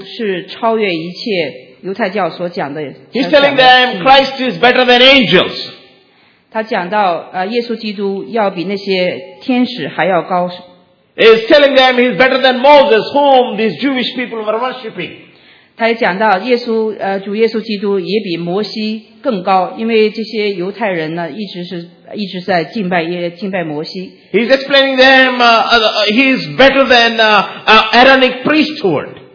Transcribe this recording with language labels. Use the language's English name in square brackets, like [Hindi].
[Chinese] 他在这里边介绍到，这里讲到我们的主耶稣基督是超越一切犹太教所讲的。 [English] He's telling them Christ is better than angels. [Chinese] 他讲到， 耶稣基督要比那些天使还要高。 [English] He's telling them he's better than Moses, whom these Jewish people were worshipping. [Chinese] 他也讲到耶稣， 主耶稣基督也比摩西更高， 因为这些犹太人呢，一直在敬拜摩西。 [English] He's explaining them he's better than Aaronic priesthood.